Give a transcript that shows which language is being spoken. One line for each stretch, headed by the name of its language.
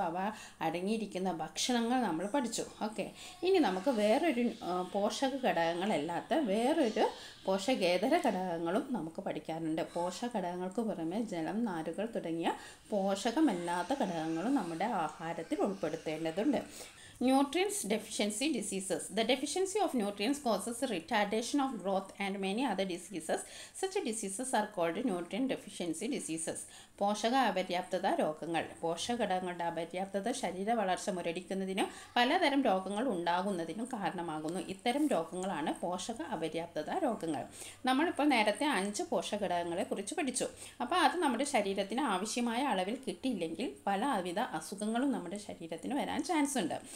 Malayalam: അവ അടങ്ങിയിരിക്കുന്ന ഭക്ഷണങ്ങൾ നമ്മൾ പഠിച്ചു. ഓക്കെ, ഇനി നമുക്ക് വേറൊരു പോഷകഘടകങ്ങളല്ലാത്ത വേറൊരു പോഷകേതര ഘടകങ്ങളും നമുക്ക് പഠിക്കാറുണ്ട്. പോഷകഘടകങ്ങൾക്ക് പുറമെ ജലം, നാരുകൾ തുടങ്ങിയ പോഷകമല്ലാത്ത ഘടകങ്ങളും നമ്മുടെ ആഹാരത്തിൽ ഉൾപ്പെടുത്തേണ്ടതുണ്ട്.
English: Nutrients deficiency diseases. The deficiency of nutrients causes retardation of growth and many other diseases. Such diseases are called nutrient deficiency diseases.
Malayalam: പോഷക അപര്യാപ്തത രോഗങ്ങൾ. പോഷകഘടകങ്ങളുടെ അപര്യാപ്തത ശരീര വളർച്ച മുരടിക്കുന്നതിനും പലതരം രോഗങ്ങൾ ഉണ്ടാകുന്നതിനും കാരണമാകുന്നു. ഇത്തരം രോഗങ്ങളാണ് പോഷക അപര്യാപ്തത രോഗങ്ങൾ. നമ്മളിപ്പോൾ നേരത്തെ 5 പോഷകഘടകങ്ങളെ കുറിച്ച് പഠിച്ചു. അപ്പോൾ അത് നമ്മുടെ ശരീരത്തിന് ആവശ്യമായ അളവിൽ കിട്ടിയില്ലെങ്കിൽ പലവിധ അസുഖങ്ങളും നമ്മുടെ ശരീരത്തിന് വരാൻ ചാൻസ് ഉണ്ട്.